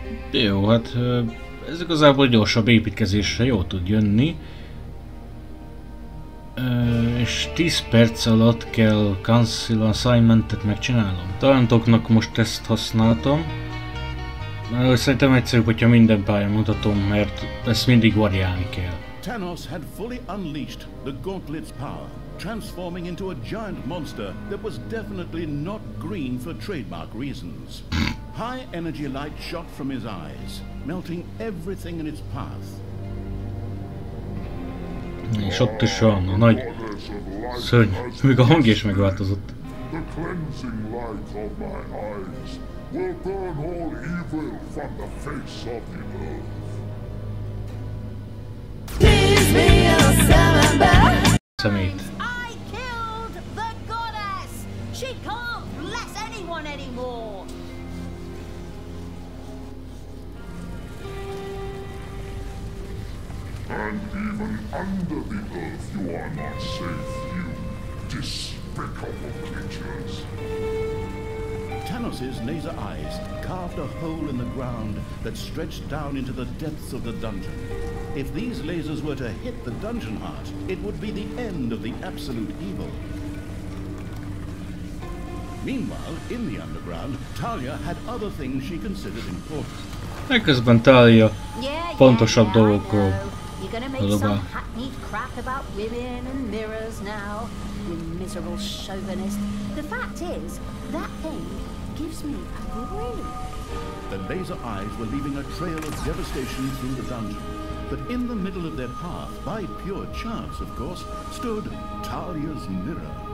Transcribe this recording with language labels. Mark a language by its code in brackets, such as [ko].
[hu] De jó, hát ez igazából gyorsabb építkezésre jól tud jönni. És 10 perc alatt kell Council Assignment-et megcsinálnom. Talentoknak most ezt használtam. Szerintem egyszerűbb, hogyha minden pályán mutatom, mert ezt mindig variálni kell. [en] Thanos had fully unleashed the gauntlet's power, transforming into a giant monster that was definitely not green for trademark reasons. High energy light shot from his eyes, melting everything in its path. [hu] És ott is van a nagy szörny, még a hang is megváltozott. [en] The cleansing light of my eyes will burn all evil from the face of the earth. [hu] Szemét. [en] I killed the goddess. She can't bless anyone anymore. And even under the earth you are not safe, you despicable creatures. Thanos' laser eyes carved a hole in the ground that stretched down into the depths of the dungeon. If these lasers were to hit the dungeon heart, it would be the end of the absolute evil. Meanwhile, in the underground, Talia had other things she considered important. [hu] Ekközben Talia fontosabb dolgokról. [en] You're gonna make some hackneyed crap about women and mirrors now, you miserable chauvinist. The fact is, that thing gives me a grin. The laser eyes were leaving a trail of devastation through the dungeon. But in the middle of their path, by pure chance, of course, stood Talia's mirror.